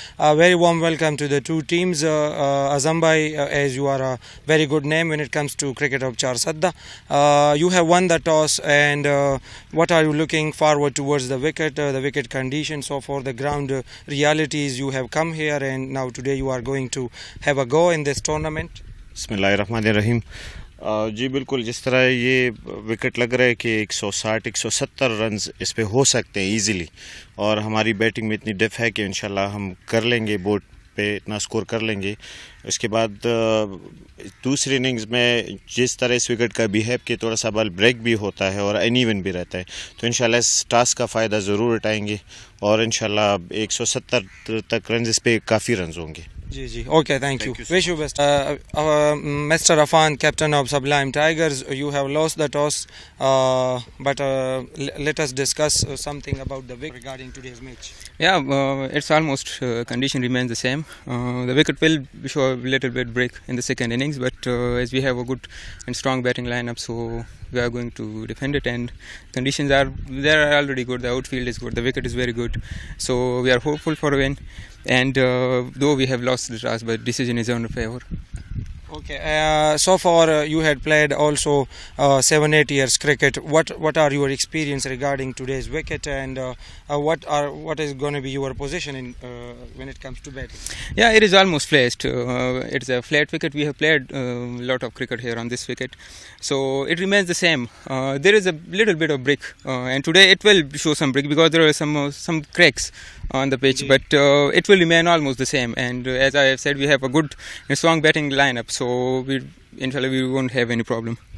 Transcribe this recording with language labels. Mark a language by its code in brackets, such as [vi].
[en] A very warm welcome to the two teams. Azam Bhai, as you are a very good name when it comes to cricket of Char Sadda, you have won the toss, and what are you looking forward towards the wicket, the wicket condition, so for the ground realities? You have come here, and now today you are going to have a go in this tournament. [ur] بسم اللہ الرحمن الرحیم جی بالکل جس طرح یہ wicket لگ رہا ہے کہ 160-170 رنز اس پہ ہو سکتے ہیں ایزیلی اور ہماری بیٹنگ میں اتنی ڈف ہے کہ انشاءاللہ ہم کر لیں گے بورڈ پہ اتنا سکور کر لیں گے اس کے بعد دوسری اننگز میں جس طرح اس وکٹ کا بیہیو کہ تھوڑا سا بال بریک بھی ہوتا ہے اور این ایون بھی رہتا ہے تو انشاءاللہ اس ٹاسک کا فائدہ ضرور اٹھائیں گے اور انشاءاللہ 170 تک رنز اس پہ کافی رنز ہوں گے [en] G G okay thank you wish you best mister Affan captain of سبلائم tigers you have loss the toss but let us discuss some thing about the wicket regarding to days match یا it's almost condition remains the same the wicket will show a little bit break in the second innings but as we have a good and strong batting line up so we are going to defend it and conditions are there are already good the out field is good the wicket is very good so we are hope full for a when and though we have lost the toss but decision is in our favor okay so far you had played also 7-8 years cricket what are your experience regarding today's wicket and what is going to be your position in when it comes to batting yeah it is almost placed it's a flat wicket we have played a lot of cricket here on this wicket so it remains the same there is a little bit of brick and today it will show some brick because there are some cracks on the pitch Indeed. But it will remain almost the same and as I have said we have a good strong batting lineup so we inshallah we won't have any problem